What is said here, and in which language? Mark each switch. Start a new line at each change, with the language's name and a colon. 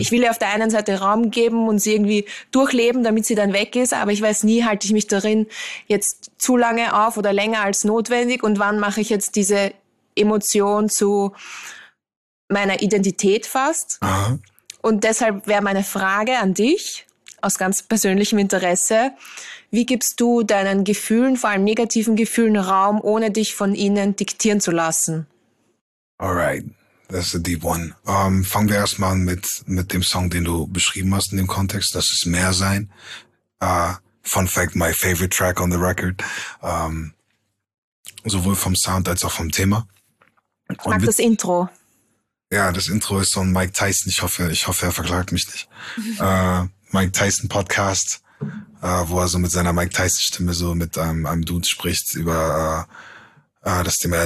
German: Ich will ihr auf der einen Seite Raum geben und sie irgendwie durchleben, damit sie dann weg ist, aber ich weiß nie, halte ich mich darin jetzt zu lange auf oder länger als notwendig und wann mache ich jetzt diese Emotion zu meiner Identität fast. Aha. Und deshalb wäre meine Frage an dich, aus ganz persönlichem Interesse, wie gibst du deinen Gefühlen, vor allem negativen Gefühlen, Raum, ohne dich von ihnen diktieren zu lassen?
English: Alright, that's a deep one.
German: Fangen wir erstmal mit dem Song, den du beschrieben hast in dem Kontext, das ist mehr sein.
English: Fun fact, my favorite track on the record.
German: Sowohl vom Sound als auch vom Thema. Ich mag das Intro. Ja, das Intro ist so ein Mike Tyson, ich hoffe, er verklagt mich nicht. Mike Tyson Podcast, wo er so mit seiner Mike Tyson Stimme so mit einem Dude spricht über das Thema.